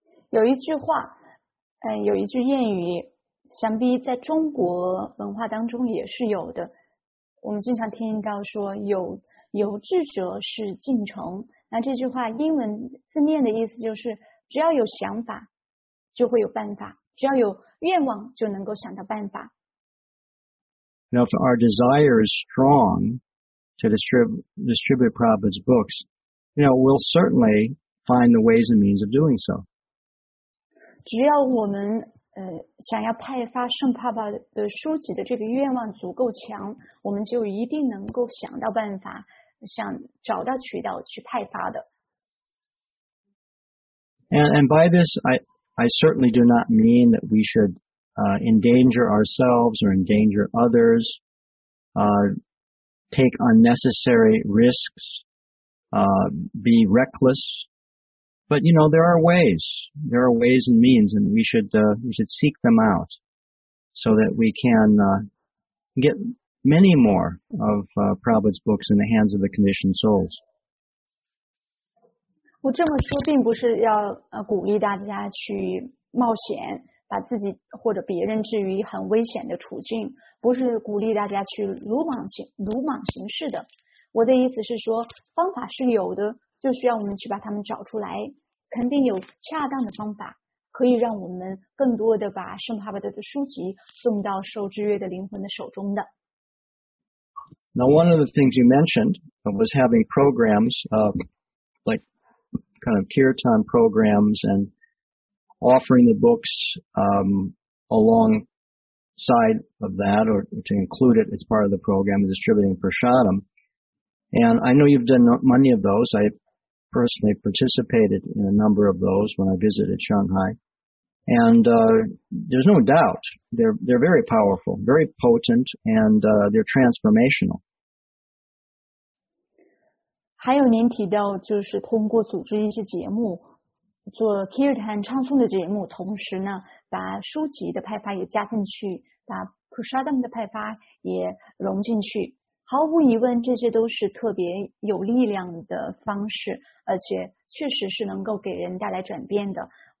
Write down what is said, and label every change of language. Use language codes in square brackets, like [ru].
[zh] 有一句话，有一句谚语，想必在中国文化当中也是有的。我们经常听到说有志者事竟成，那这句话英文字面的意思就是只要有想法就会有办法，只要有愿望就能够想到办法。 [en] Now, if our desire is strong to distribute Prabhupada's books, we'll certainly find the ways and means of doing so. [zh] 只要我们想要派发圣帕巴的书籍的这个愿望足够强，我们就一定能够想到办法，想找到渠道去派发的。 [en] And by this, I certainly do not mean that we should endanger ourselves or endanger others, take unnecessary risks, be reckless. But, there are ways. There are ways and means, and we should seek them out so that we can get many more of Prabhupada's books in the hands of the conditioned souls. [zh] 我这么说并不是要鼓励大家去冒险，把自己或者别人置于很危险的处境，不是鼓励大家去鲁莽行事的。我的意思是说，方法是有的，就需要我们去把它们找出来。肯定有恰当的方法可以让我们更多的把圣帕巴德的书籍送到受制约的灵魂的手中的。 [en] Now, one of the things you mentioned was having programs, like kind of kirtan programs and offering the books, along side of that, or to include it as part of the program of distributing prasadam. And I know you've done many of those. I personally participated in a number of those when I visited Shanghai. And there's no doubt they're very powerful, very potent, and they're transformational. [zh] 还有您提到就是通过组织一些节目做 kirtan 唱诵的节目，同时呢把书籍的派发也加进去，把 prasadam 的派发也融进去。毫无疑问，这些都是特别有力量的方式，而且确实是能够给人带来转变的。